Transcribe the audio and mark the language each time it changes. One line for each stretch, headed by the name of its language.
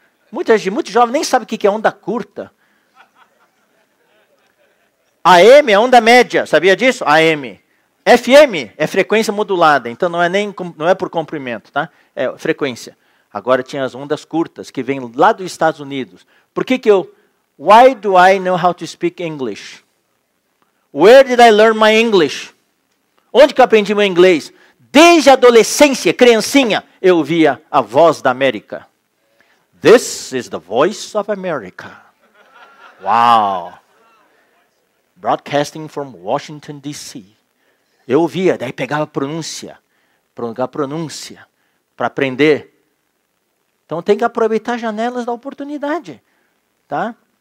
Portuguese: Muitos jovens nem sabem o que é onda curta. AM é onda média, sabia disso? AM. FM é frequência modulada, então não é, não é por comprimento, tá? É frequência. Agora tinha as ondas curtas, que vêm lá dos Estados Unidos. Por que que eu...
English: Why do I know how to speak English? Where did I learn my English?
Portuguese: Onde que eu aprendi meu inglês? Desde a adolescência, criancinha, eu ouvia a voz da América.
English: This is the voice of America. Wow. Broadcasting from Washington, D.C.
Portuguese: Eu ouvia, daí pegava pronúncia, para aprender. Então tem que aproveitar as janelas da oportunidade. Tá?